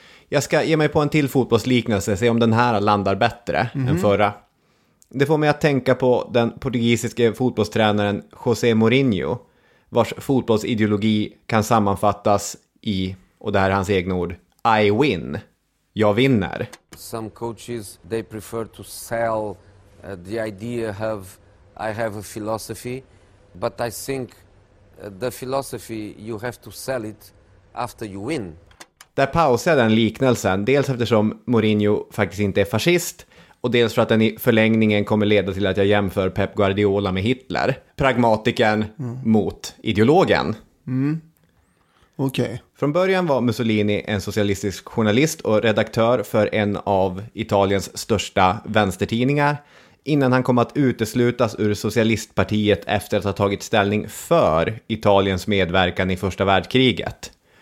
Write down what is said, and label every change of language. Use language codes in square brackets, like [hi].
[sv] Jag ska ge mig på en till fotbollsliknelse, se om den här landar bättre än förra. Det får mig att tänka på den portugisiske fotbollstränaren José Mourinho, vars fotbollsideologi kan sammanfattas i, och det här är hans egna ord, [en] "I win", [sv] jag vinner. [en] Some coaches, they prefer to sell the idea of I have a philosophy, but I think the philosophy, you have to sell it after you win. [sv] Där pausar den liknelsen, dels eftersom Mourinho faktiskt inte är fascist, och dels för att den i förlängningen kommer leda till att jag jämför Pep Guardiola med Hitler. Pragmatiken mot ideologen. Mm. Okej. Okay. Från början var Mussolini en socialistisk journalist och redaktör för en av Italiens största vänstertidningar, innan han kom att uteslutas ur socialistpartiet efter att ha tagit ställning för Italiens medverkan i första världskriget.